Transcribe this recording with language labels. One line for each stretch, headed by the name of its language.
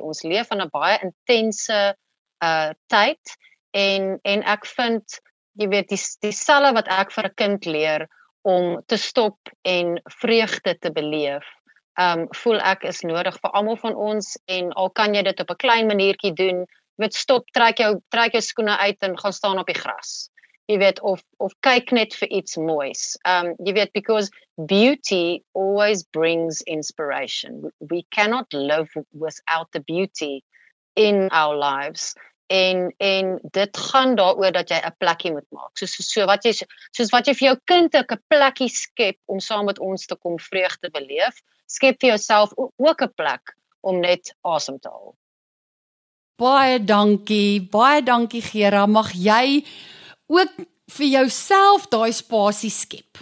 Afrikaans: Ons leef in 'n baie intense tyd en ek vind, jy weet, dieselfde wat ek vir 'n kind leer om te stop en vreugde te beleef. Voel ek is nodig vir almal van ons en al kan jy dit op 'n klein maniertjie doen. Jy weet, stop, trek jou skoene uit en gaan staan op die gras. Jy weet of kyk net vir iets moois. Jy weet,
English: because beauty always brings inspiration. We cannot live without the beauty in our lives.
Afrikaans: En dit gaan daaroor dat jy 'n plekkie moet maak. Soos wat jy vir jou kind 'n plekkie skep om saam met ons te kom vreugde beleef, skep vir jouself ook 'n plek om net asem te haal. Baie dankie Gera, mag jy ook vir jouself daai spasie skep.